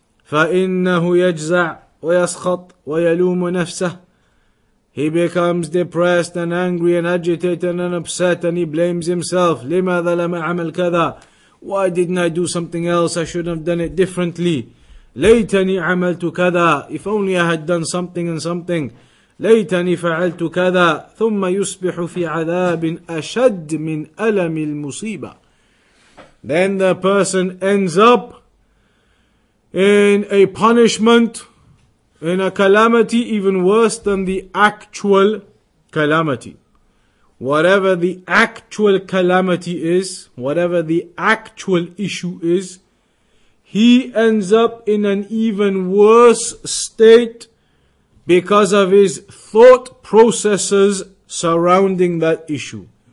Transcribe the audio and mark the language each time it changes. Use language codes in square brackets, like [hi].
[ar] فَإِنَّهُ يَجْزَعْ وَيَسْخَطْ وَيَلُومُ نَفْسَهُ. [en] He becomes depressed and angry and agitated and upset, and he blames himself. [ar] لِمَاذَا لَمْ أَعْمَلْ كَذَا. [en] Why didn't I do something else? I should have done it differently. [ar] لَيْتَنِي عَمَلْتُ كَذَا. [en] If only I had done something and something. [ar] ليتني فعلت كذا ثم يصبح في عذاب أشد من ألم المصيبة. [en] Then the person ends up in a punishment, in a calamity even worse than the actual calamity. Whatever the actual calamity is, whatever the actual issue is, he ends up in an even worse state because of his thought processes surrounding that issue.